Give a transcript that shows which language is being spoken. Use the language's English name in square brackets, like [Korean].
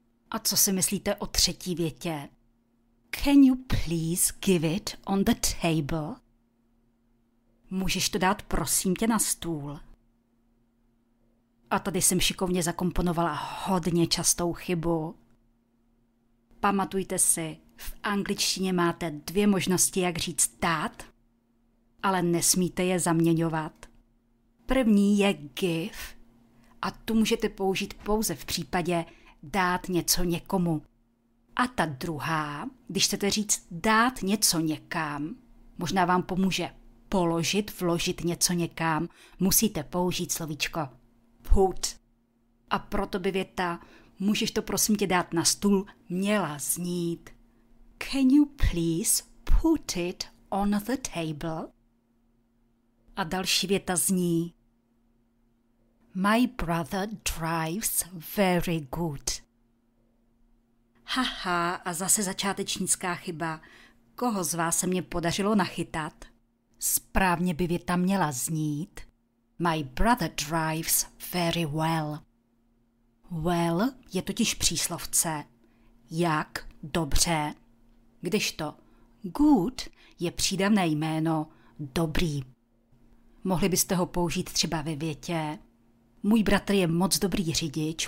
[Czech] A co si myslíte o třetí větě? [English] Can you please give it on the table? [Czech] Můžeš to dát, prosím tě, na stůl. A tady jsem šikovně zakomponovala hodně častou chybu. Pamatujte si, v angličtině máte dvě možnosti, jak říct dát, ale nesmíte je zaměňovat. První je give a tu můžete použít pouze v případě dát něco někomu. A ta druhá, když chcete říct dát něco někam, možná vám pomůže položit, vložit něco někam, musíte použít slovíčko put. A proto by věta můžeš to prosím tě dát na stůl měla znít. [English] Can you please put it on the table? [Czech] A další věta zní. [English] My brother drives very good. [Czech] Haha, a zase začátečnická chyba. Koho z vás se mě podařilo nachytat? Správně by věta měla znít. [English] My brother drives very well. [Czech] Well je totiž příslovce. Jak, dobře. Kdežto good je přídavné jméno dobrý. Mohli byste ho použít třeba ve větě. Můj bratr je moc dobrý řidič.